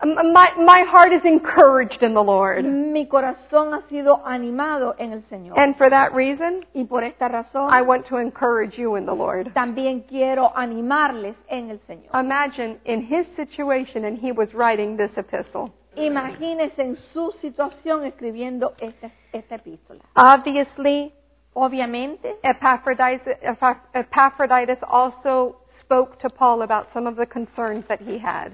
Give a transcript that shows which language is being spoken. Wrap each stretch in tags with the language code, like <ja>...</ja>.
<en>My heart is encouraged in the Lord.</en> <es>Mi corazón ha sido animado en el Señor.</es> <en>And for that reason,</en> <es>y por esta razón,</es> <en>I want to encourage you in the Lord.</en> <es>También quiero animarles en el Señor.</es> <en>Imagine in his situation and he was writing this epistle.</en> <es>Imagínese en su situación escribiendo esta epístola.</es> <en>Obviously,</en> <es>obviamente,</es> <en>Epaphroditus also spoke to Paul about some of the concerns that he had.</en>